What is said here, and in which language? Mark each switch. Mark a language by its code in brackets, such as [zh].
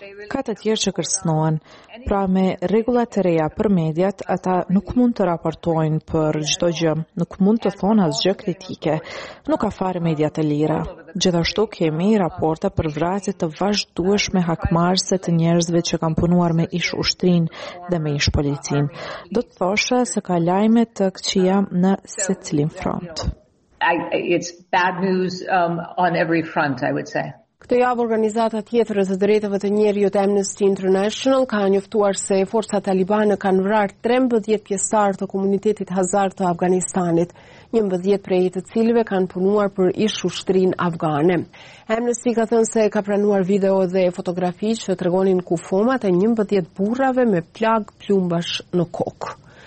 [sq] Ka të tjerë që kërcënohen. Pra me rregullat e reja për mediat, ata nuk mund të raportojnë për çdo gjë, nuk mund të thonë asgjë kritike. Nuk ka fare media të lira. Gjithashtu kemi raporta për vrasje të vazhdueshme hakmarrëse të njerëzve që kanë punuar me ish ushtrinë dhe me ish policinë. Do të thoshe se ka lajme të këqija në secilin front. [en] It's bad news on every front, I would say. [sq] Këtë javë organizata tjetër e të drejtave të njeriut Amnesty International ka njoftuar se forcat talibane kanë vrarë 13 pjesëtarë të komunitetit Hazar të Afganistanit, 11 prej të cilëve kanë punuar për ish ushtrinë afgane. Amnesty ka thënë se ka pranuar video dhe fotografi që tregonin kufomat e 11 burrave me plagë plumbash në kokë.